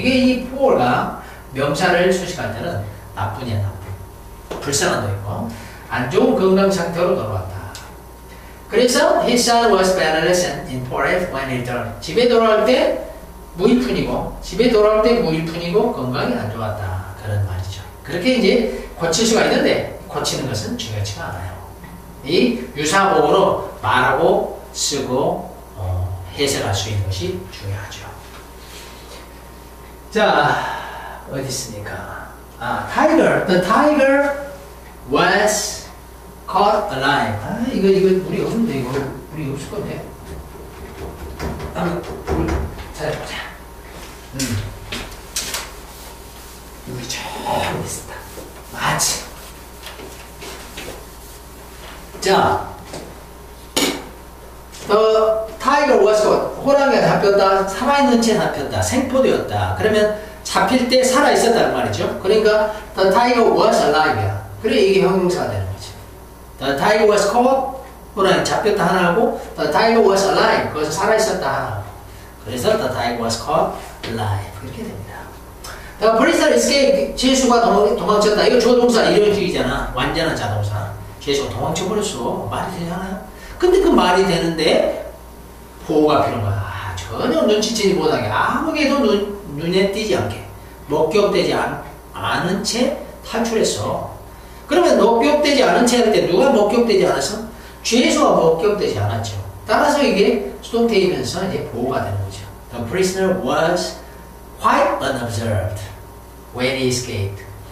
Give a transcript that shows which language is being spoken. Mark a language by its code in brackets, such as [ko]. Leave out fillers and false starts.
[ko] 이게 이 poor가 명사를 수식할 때는 나쁜이야, 나쁜. 불쌍한도 있고, 안 좋은 건강 상태로 돌아왔다. [en] 그래서, his son was penniless and in poor health when he returned. [ko] 집에 돌아올 때 무일푼이고, 집에 돌아올 때 무일푼이고, 건강이 안 좋았다. 그런 말이죠. 그렇게 이제 고칠 수가 있는데, 고치는 것은 중요하지가 않아요. 이 유사보호로 말하고 쓰고 해석할 수 있는 것이 중요하죠. 자, 어디 있습니까? 아, tiger. [en] The tiger was caught alive. [ko] 아, 이거 물이 없는데 이거 물이 없을 건데. 한번 찾아보자. 물이 조금 있었다. 맞지. [en] 자, the tiger was caught. [ko] 호랑이가 잡혔다. 살아있는 채 잡혔다. 생포되었다. 그러면 잡힐 때 살아있었다는 말이죠. [en] 그러니까 the tiger was alive야. [ko] 그래, 이게 형용사가 되는 거지. [en] the tiger was caught. [ko] 호랑이 잡혔다 하나하고 [en] the tiger was alive. [ko] 그것은 살아있었다 하나하고. [en] 그래서 the tiger was caught alive. [ko] 이렇게 됩니다. [en] the prisoner escaped. [ko] 죄수가 도망쳤다. 이거 조동사 일용식이잖아. 완전한 자동사. 계속 도망쳐버렸어. 말이 되잖아요. 근데 그 말이 되는데 보호가 필요한 거야. 아, 전혀 눈치채지 못하게 아무게도 눈에 띄지 않게 목격되지 않은 채 탈출했어. 그러면 목격되지 않은 채 할 때 누가 목격되지 않았어? 죄수가 목격되지 않았죠. 따라서 이게 수동태이면서 이제 보호가 되는 거죠. [en] The prisoner was quite unobserved when he escaped.